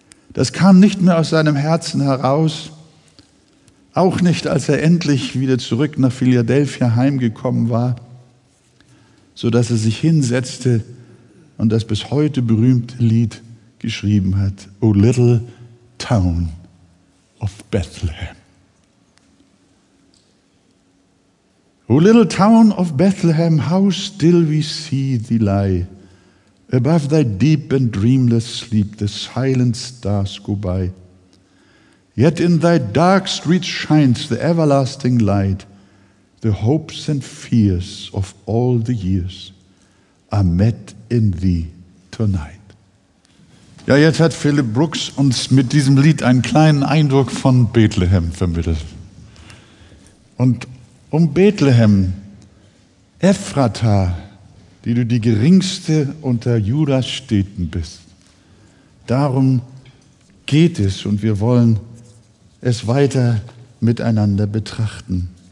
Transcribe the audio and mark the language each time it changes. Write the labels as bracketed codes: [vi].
[de] Das kam nicht mehr aus seinem Herzen heraus, auch nicht, als er endlich wieder zurück nach Philadelphia heimgekommen war, sodass er sich hinsetzte und das bis heute berühmte Lied geschrieben hat, O Little Town of Bethlehem. [en] O little town of Bethlehem, how still we see thee lie. Above thy deep and dreamless sleep, the silent stars go by. Yet in thy dark streets shines the everlasting light. The hopes and fears of all the years are met in thee tonight. [de] Ja, jetzt hat Philip Brooks uns mit diesem Lied einen kleinen Eindruck von Bethlehem vermittelt. Und um Bethlehem, Ephrata, die du die geringste unter Judas Städten bist, darum geht es und wir wollen es weiter miteinander betrachten.